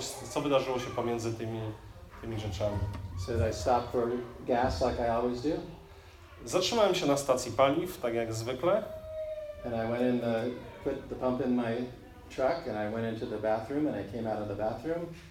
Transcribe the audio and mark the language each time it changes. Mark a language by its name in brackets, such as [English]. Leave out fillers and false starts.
[Polish] Co wydarzyło się pomiędzy tymi rzeczami? [English] So I stopped for gas like I always do. [Polish] Zatrzymałem się na stacji paliw, tak jak zwykle. [English] And I went in the put the pump in my truck and I went into the bathroom and I came out of the bathroom.